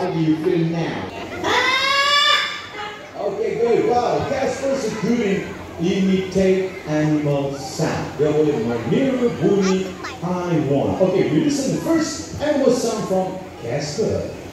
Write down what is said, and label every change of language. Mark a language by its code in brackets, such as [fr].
[en] How do you feel now? Okay, good. Well, guess what's a good imitate animal sound. [ms] Dia boleh meniru bunyi haiwan. [en] Okay, we listen to the first animal sound from Casper.